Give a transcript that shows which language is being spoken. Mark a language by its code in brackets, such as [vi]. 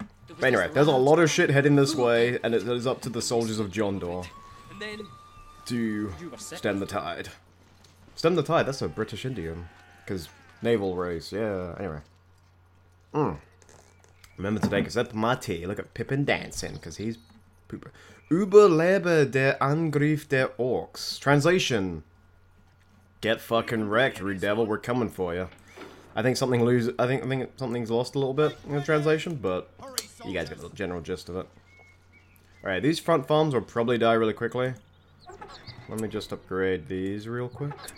[en] But anyway, there's a lot of shit heading this way, and it is up to the soldiers of Jondor to stem the tide. Stem the tide, that's a British idiom. Because... naval race, yeah, anyway. Remember today, because that's my tea. Look at Pippin dancing, because he's pooper. [de] Überlebe der Angriff der Orks. [en] Translation. Get fucking wrecked, Rude Devil, we're coming for you. I think something's lost a little bit in the translation, but you guys get the general gist of it. Alright, these front farms will probably die really quickly. Let me just upgrade these real quick.